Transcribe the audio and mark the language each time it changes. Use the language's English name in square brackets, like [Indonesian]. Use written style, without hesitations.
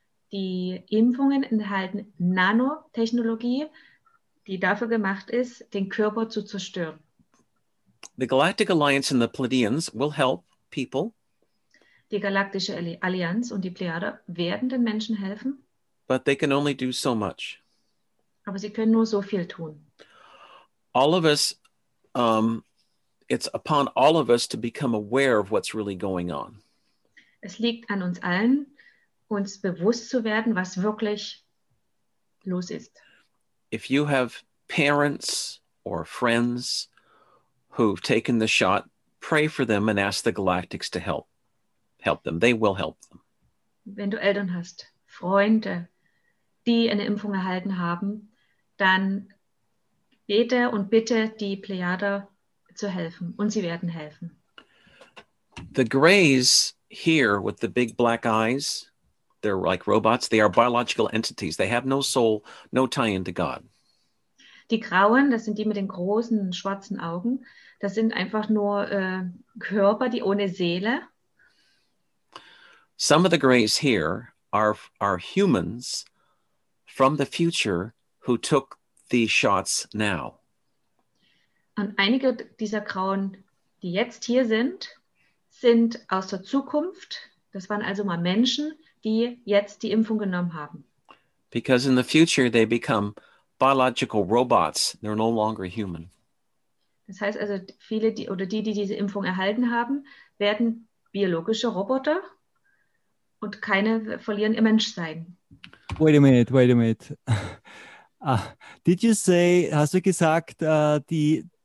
[German] Die Impfungen enthalten Nanotechnologie, die dafür gemacht ist, den Körper zu zerstören. [English] The Galactic Alliance and the Pleiadians will help people. [German] Die Galaktische Allianz und die Plejader werden den Menschen helfen. [English] But they can only do so much. [German] Aber sie können nur so viel tun. [English] All of us, it's upon all of us to become aware of what's really going on. [German] Es liegt an uns allen, uns bewusst zu werden, was wirklich los ist. [English] If you have parents or friends who've taken the shot, pray for them and ask the Galactics to help. Help them. They will help them. [German] Wenn du Eltern hast, Freunde, die eine Impfung erhalten haben, dann bete und bitte die Plejader zu helfen und sie werden helfen. [English] The Greys here with the big black eyes, they're like robots. They are biological entities. They have no soul, no tie into God. [German] Die Grauen, das sind die mit den großen schwarzen Augen, das sind einfach nur Körper, die ohne Seele. [English] Some of the greys here are humans from the future who took the shots now. [German] Und einige dieser Grauen, die jetzt hier sind, sind aus der Zukunft. Das waren also mal Menschen, die jetzt die Impfung genommen haben. [English] Because in the future they become biological robots. They're no longer human. [German] Das heißt also, viele, die, oder die diese Impfung erhalten haben, werden biologische Roboter und keine verlieren ihr Menschsein. [English] Wait a minute.